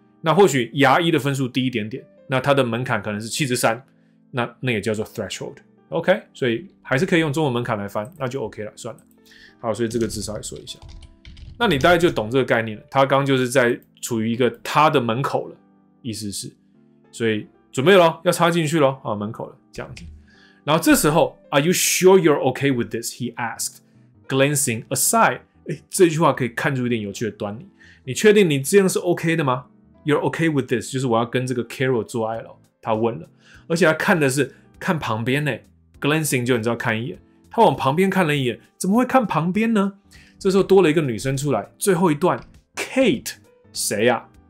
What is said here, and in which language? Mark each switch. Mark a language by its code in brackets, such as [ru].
[zh] 那或许牙医的分数低一点点，那它的门槛可能是73，那也叫做 threshold。 OK， 所以还是可以用中文门槛来翻，那就 OK 了，算了。好，所以这个至少来说一下，那你大概就懂这个概念了。他刚就是在处于一个他的门口了，意思是，所以准备咯，要插进去咯，啊，门口了这样子。然后这时候 [en] Are you sure you're okay with this? He askedglancing aside， [zh] 欸，这句话可以看出一点有趣的端倪。你确定你这样是 OK 的吗？ [en] You're okay with this， [zh] 就是我要跟这个 Carol 做爱了，他问了，而且他看的是看旁边，欸，glancing 就你知道看一眼，他往旁边看了一眼，怎么会看旁边呢？这时候多了一个女生出来，最后一段 Kate 谁啊？